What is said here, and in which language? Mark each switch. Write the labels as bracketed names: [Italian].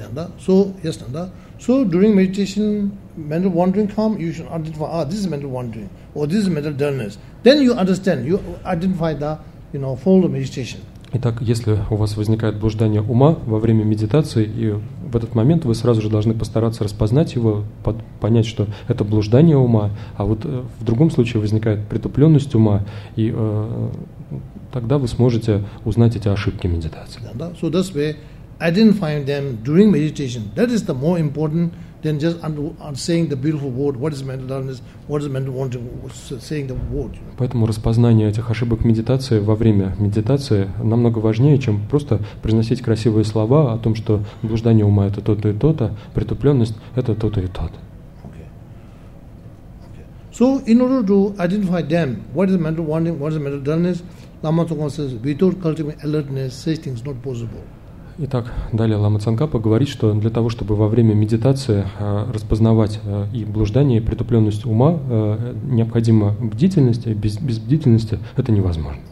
[Russian] Понятно, да? So, yes, да? [English] So, during meditation, mental wandering come, you should identify, ah, this is mental wandering, or this is mental dullness. Then you understand, you identify the, you know, fold of meditation. [Russian] Итак, если у вас возникает блуждание ума во время медитации, и в этот момент вы сразу же должны постараться распознать его, понять, что это блуждание ума, а вот в другом случае возникает притупленность ума, и тогда вы сможете узнать эти ошибки медитации. Yeah, да? [English] So that's why identifying them during meditation, that is the more important than just saying the beautiful word, what is mental dullness, what is mental wanting, saying the word. [Russian] Поэтому распознание этих ошибок медитации во время медитации намного важнее, чем просто произносить красивые слова о том, что блуждание ума – это то-то и то-то, притупленность – это то-то и то-то. [English] Okay. So, in order to identify them, what is mental wanting, what is mental dullness, Lama Tsongkhapa says, without cultivating alertness, such things not possible. [Russian] Итак, далее Лама Цанкапа говорит, что для того, чтобы во время медитации распознавать и блуждание, и притупленность ума, необходима бдительность, а без бдительности это невозможно.